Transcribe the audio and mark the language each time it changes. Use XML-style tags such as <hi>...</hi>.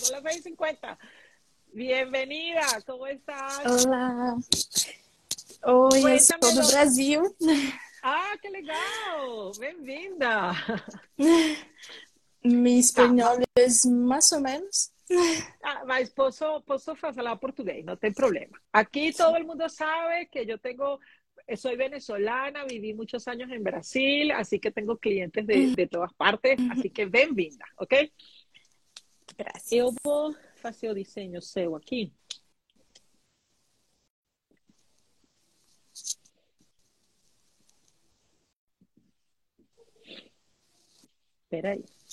<es>Son las 6:50. Bienvenida, ¿cómo estás? Hola. Hoy es todo Brasil. Ah, qué legal. Bienvenida. Mi español es más o menos.</es> <pt>Mas posso falar português, não tem problema.</pt> <es>Aqui todo el mundo sabe que yo tengo, soy venezolana, viví muchos años en Brasil, así que tengo clientes de todas partes, así que</es> <pt>bem-vinda,</pt> <es>ok? Gracias.</es> <pt>Eu vou fazer o desenho seu aqui. Espera aí.</pt>